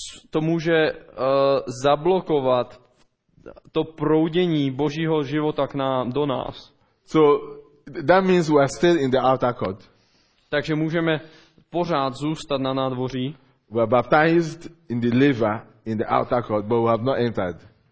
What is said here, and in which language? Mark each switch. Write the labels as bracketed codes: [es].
[cs] To může zablokovat to proudění Božího života k nám, do nás. [en] So that means we are still in the outer court. [cs] Takže můžeme pořád zůstat na nádvoří. [en] We are baptized in the liver in the outer court, but we have not entered.